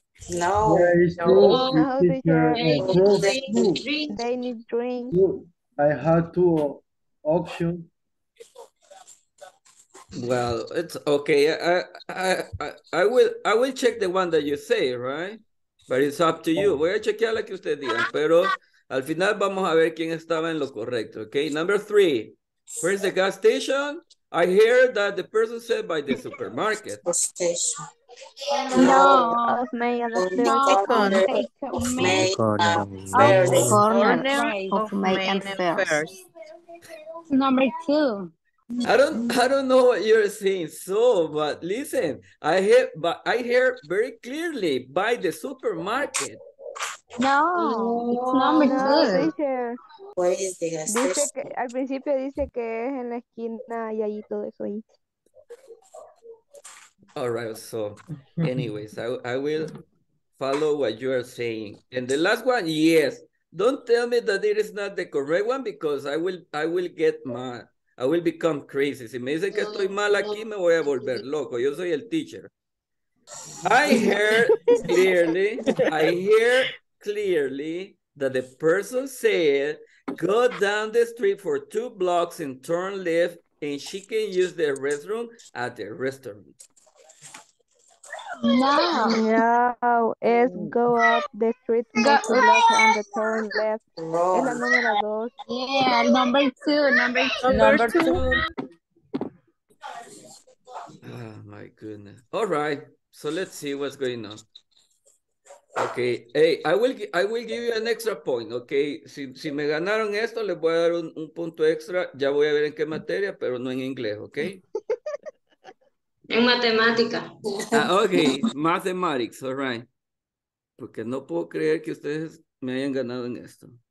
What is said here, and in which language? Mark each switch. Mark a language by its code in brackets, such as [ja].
[en] No, they need drink. I have 2 options. Well, it's okay. I will check the one that you say, right? But it's up to you. [es] Voy a chequear la que usted diga, pero al final vamos a ver quién estaba en lo correcto, okay? [en] Number 3. Where's the gas station? I hear that the person said by the supermarket. No, of Main and First. Number 2. I don't know what you're saying, so but listen, I hear very clearly by the supermarket. Yeah, No, it's number two. No, [es] sí, sí. ¿Cuál es de gas? Dice que al principio dice que es en la esquina y ahí todo eso ahí. [en] All right, so anyways, I will follow what you are saying. And the last one, yes. Don't tell me that it is not the correct one because I will get mad. I will become crazy. [es] Si me dicen que estoy mal aquí, me voy a volver loco. Yo soy el teacher. [en] I hear clearly that the person said, go down the street for two blocks and turn left, and she can use the restroom at the restaurant. No, [es] es [en] go up the street and turn left. [es] Es la número dos. [en] Yeah, number two. Oh my goodness. All right, so let's see what's going on. Okay, hey, I will give you an extra point, okay? [es] Si me ganaron esto, les voy a dar un punto extra. Ya voy a ver en qué materia, pero no en inglés, okay? En matemática. [en] Ah, ok, mathematics, all right. [es] Porque no puedo creer que ustedes me hayan ganado en esto.